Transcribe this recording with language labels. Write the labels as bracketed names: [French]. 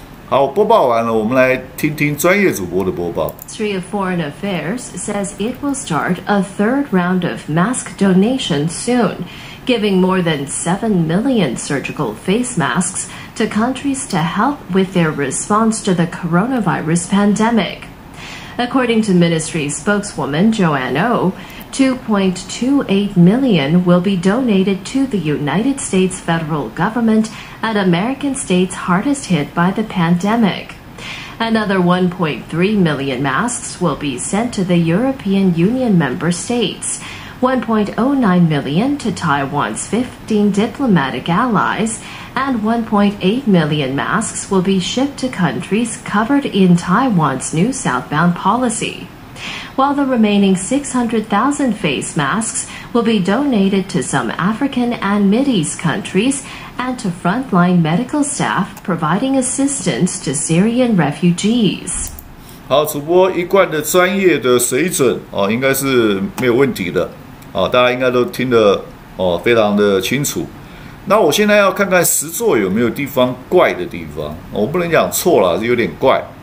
[Chinese] 好，播报完了，我们来听听专业主播的播报。 [English] Ministry of Foreign Affairs says it will start a third round of mask donation soon, giving more than 7 million surgical face masks to countries to help with their response to the coronavirus pandemic. According to Ministry spokeswoman Joanne Oh, 2.28 million will be donated to the United States federal government. At American states hardest hit by the pandemic. Another 1.3 million masks will be sent to the European Union member states, 1.09 million to Taiwan's 15 diplomatic allies, and 1.8 million masks will be shipped to countries covered in Taiwan's new southbound policy. While the remaining 600,000 face masks will be donated to some African and Mideast countries,and to frontline medical staff providing assistance to Syrian refugees. [Chinese] 好，主播一贯的专业的水准应该是没有问题的大家应该都听得非常的清楚。那我现在要看看实作有没有地方怪的地方我不能讲错了，是有点怪。